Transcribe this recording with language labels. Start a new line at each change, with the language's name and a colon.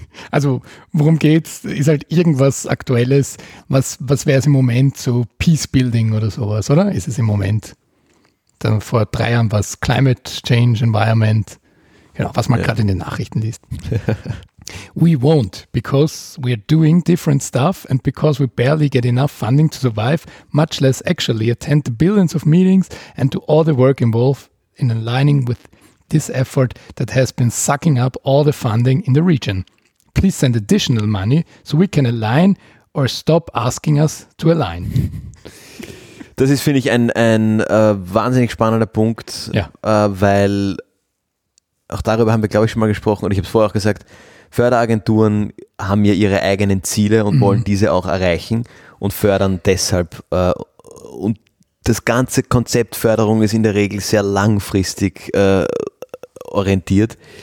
German: Also worum geht's? Ist halt irgendwas Aktuelles. Was wäre es im Moment so Peace-Building oder sowas, oder? Ist es im Moment, dann vor 3 Jahren war es Climate Change Environment, genau, was man gerade in den Nachrichten liest.
English: We won't, because we're doing different stuff and because we barely get enough funding to survive, much less actually attend the billions of meetings and do all the work involved in aligning with this effort that has been sucking up all the funding in the region. Please send additional money so we can align or stop asking us to align.
German: Das ist, finde ich, ein wahnsinnig spannender Punkt, weil auch darüber haben wir, glaube ich, schon mal gesprochen, und ich habe es vorher auch gesagt, Förderagenturen haben ja ihre eigenen Ziele und wollen diese auch erreichen und fördern deshalb. Und das ganze Konzept Förderung ist in der Regel sehr langfristig orientiert.